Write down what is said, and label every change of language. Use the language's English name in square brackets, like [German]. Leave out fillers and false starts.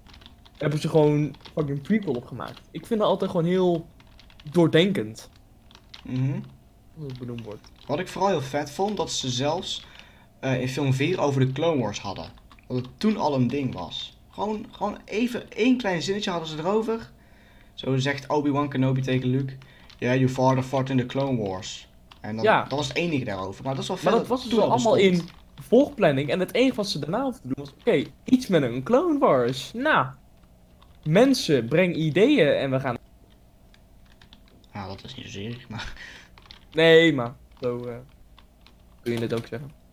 [Dutch] Daar hebben ze gewoon fucking prequel op gemaakt. Ik vind dat altijd gewoon heel doordenkend. Mm-hmm. Als het benoemd wordt. Wat ik vooral heel vet vond, dat ze zelfs in film 4 over de Clone Wars hadden. Dat het toen al een ding was. Gewoon even één klein zinnetje hadden ze erover. Zo zegt Obi-Wan Kenobi tegen Luke. [English] Yeah, your father fought in the Clone Wars. [Dutch] En dan, dat was het enige daarover. Maar dat is wel maar dat was dus allemaal in volgplanning. En het enige wat ze daarna hoefden te doen was... Oké, iets met een Clone Wars. Nou, mensen, breng ideeën en we gaan... Nou, dat is niet zozeer, maar... Nee, maar zo kun je het ook zeggen.